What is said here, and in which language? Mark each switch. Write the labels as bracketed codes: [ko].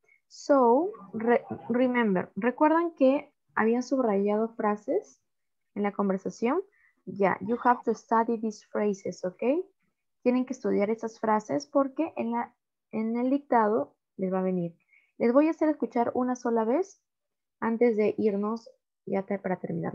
[en] So, remember, [es] ¿recuerdan que habían subrayado frases en la conversación? [en] Yeah, you have to study these phrases, okay? [es] Tienen que estudiar esas frases porque en el dictado les va a venir. Les voy a hacer escuchar una sola vez antes de irnos ya para terminar.